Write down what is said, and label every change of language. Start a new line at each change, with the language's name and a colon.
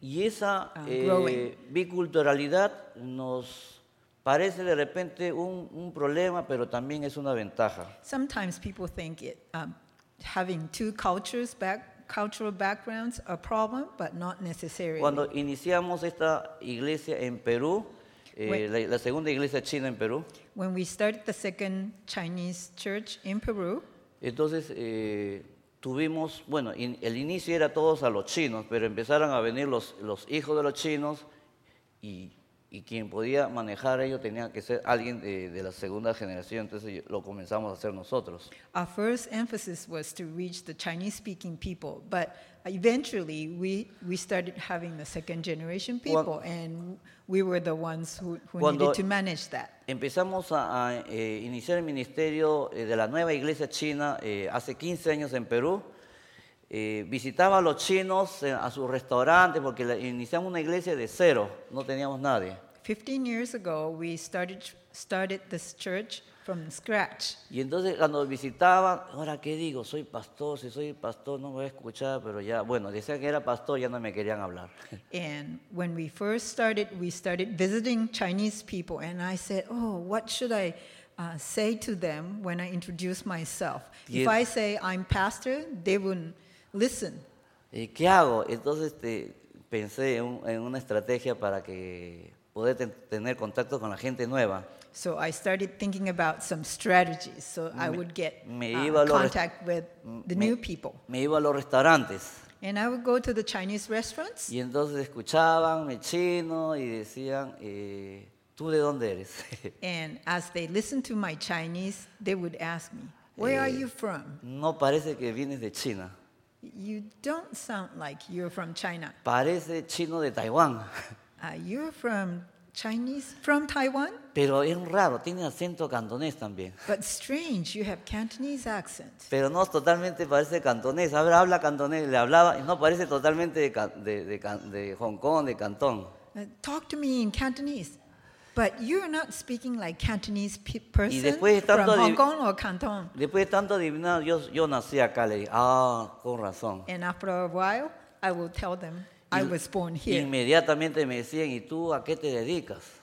Spanish: Y esa biculturalidad nos parece de repente un problema, pero también es una ventaja.
English: Sometimes people think it having two cultures cultural backgrounds a problem, but not necessarily.
Spanish: Cuando iniciamos esta iglesia en Perú. La segunda iglesia china en Perú.
English: When we started the second Chinese church in Peru.
Spanish: Entonces tuvimos, bueno, el inicio era todos a los chinos, pero empezaron a venir los hijos de los chinos y quien podía manejar ello tenía que ser alguien de la segunda generación, entonces lo comenzamos a hacer nosotros.
English: Our first emphasis was to reach the Chinese-speaking people, but eventually we started having the second generation people and we were the ones who needed to manage that.
Spanish: Empezamos a iniciar el ministerio de la nueva iglesia china hace 15 años en Perú. Visitaba a los chinos a sus restaurantes porque iniciamos una iglesia de cero, no teníamos nadie.
English: 15 years ago, we started this church from scratch.
Spanish: Y entonces cuando visitaban, ahora qué digo, soy pastor, si soy pastor no me voy a escuchar, pero ya, bueno, decían que era pastor, ya no me querían hablar.
English: And when we first started, we started visiting Chinese people, and I said, oh, what should I say to them when I introduce myself? If I say I'm pastor, they wouldn't listen.
Spanish: ¿Y qué hago? Entonces pensé en una estrategia para que poder tener contacto con la gente nueva.
English: So I started thinking about some strategies so I would get contact with the new people.
Spanish: Me iba a los restaurantes.
English: And I would go to the Chinese restaurants.
Spanish: Y entonces escuchaban mi chino y decían, ¿tú de dónde eres?
English: And as they listened to my Chinese, they would ask me, where are you from?
Spanish: No parece que vienes de China.
English: You don't sound like you're from China.
Spanish: Parece chino de Taiwán.
English: You're from Chinese from Taiwan?
Spanish: Pero es raro, tiene acento cantonés también.
English: But strange, you have Cantonese accent.
Spanish: Pero no, totalmente parece cantonés. Ahora habla cantonés, le hablaba y no parece totalmente de Hong Kong, de Cantón.
English: Talk to me in Cantonese. But you're not speaking like Cantonese person
Spanish: y después tanto
English: from Hong Kong or Canton.
Spanish: Después de tanto adivinar, yo nací acá, le dije, con razón.
English: And after a while, I will tell them I was born here.
Spanish: Inmediatamente me decían, ¿y tú a qué te dedicas?